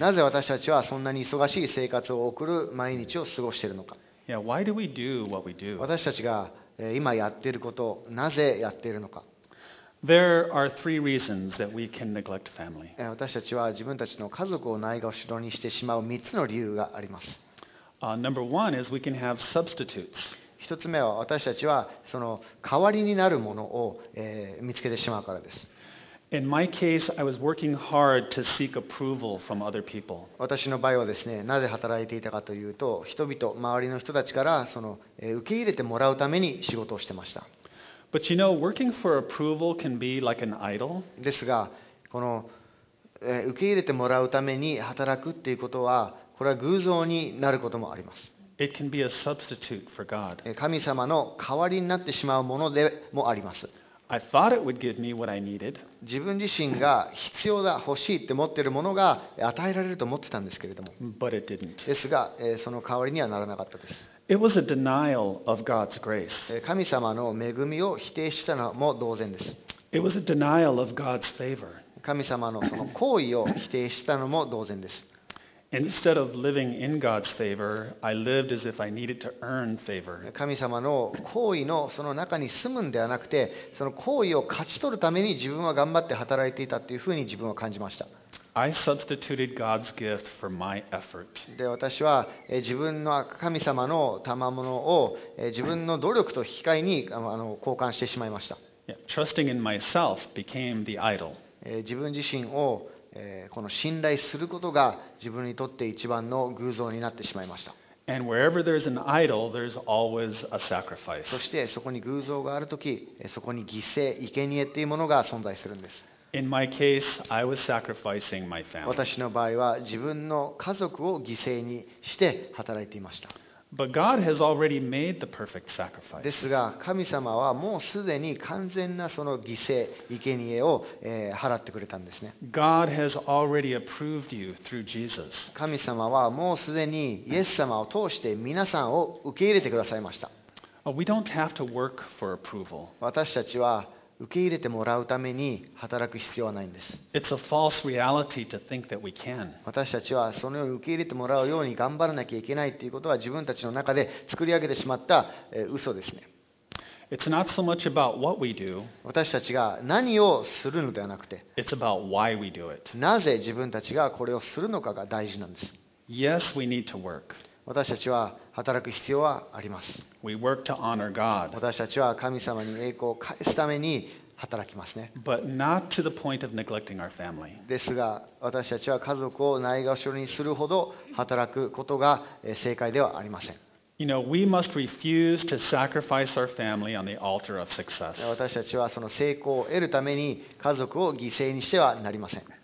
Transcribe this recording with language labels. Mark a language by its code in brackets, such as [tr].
[ja] なぜ私たちはそんなに忙しい生活を送る毎日を過ごしているのか。 [en] Yeah, why do we do what we do? [ja] 私たちが今やっていることをなぜやっているのか。 [en] There are three reasons that we can neglect family. [ja] 私たちは自分たちの家族をないがしろにしてしまう3つの理由があります。 [en] Number one is we can have substitutes. [ja] 一つ目は私たちはその代わりになるものを、見つけてしまうからです。 [en] In my case, I was working hard to seek approval from other people. [ja] 私の場合はですね、なぜ働いていたかというと、人々、周りの人たちからその、受け入れてもらうために仕事をしてました。 [en] But you know, working for approval can be like an idol. [ja] ですが、この、受け入れてもらうために働くっていうことは、これは偶像になることもあります。 [en] It can be a substitute for God. [ja] 神様の代わりになってしまうものでもあります。 [en] I thought it would give me what I needed. [ja] 自分自身が必要だ、欲しいって思っているものが与えられると思ってたんですけれども。 [en] But it didn't. [ja] ですが、その代わりにはならなかったです。 [en] It was a denial of God's grace. [ja] 神様の恵みを否定したのも同然です。 [en] It was a denial of God's favor. [ja] 神様のその行為を否定したのも同然です。 [en] Instead of living in God's favor, I lived as if I needed to earn favor. [ja] 神様の好意のその中に住むんではなくて、その好意を勝ち取るために自分は頑張って働いていたというふうに自分は感じました。 [en] I substituted God's gift for my effort. [ja] で、私は自分の神様の賜物を自分の努力と引き換えに交換してしまいました。 [en] Trusting in myself became the idol. [ja] 自分自身をこの信頼することが自分にとって一番の偶像になってしまいました。 [en] And wherever there's an idol, there's always a sacrifice. [ja] そしてそこに偶像があるとき、そこに犠牲、生贄というものが存在するんです。 [en] In my case, I was sacrificing my family. [ja] 私の場合は自分の家族を犠牲にして働いていました。 [en] But God has already made the perfect sacrifice. [ja] ですが神様はもうすでに完全なその犠牲、生贄を払ってくれたんですね。 [en] God has already approved you through Jesus. [ja] 神様はもうすでにイエス様を通して皆さんを受け入れてくださいました。 [en] We don't have to work for approval. [ja] 私たちは受け入れてもらうために働く必要はないんです。 [en] It's a false reality to think that we can. [ja] 私たちはそのように受け入れてもらうように頑張らなきゃいけないということは自分たちの中で作り上げてしまった嘘ですね。 [en] It's not so much about what we do. [ja] 私たちが何をするのではなくて、 [en] It's about why we do it. [ja] なぜ自分たちがこれをするのかが大事なんです。 [en] Yes, we need to work. [ja] 私たちは働く必要はあります。 [en] We work to honor God. [ja] 私たちは神様に栄光を返すために働きますね。 [en] But not to the point of neglecting our family. [ja] ですが、私たちは家族をないがしろにするほど働くことが正解ではありません。 [en] You know, we must refuse to sacrifice our family on the altar of success. [ja] 私たちはその成功を得るために家族を犠牲にしてはなりません。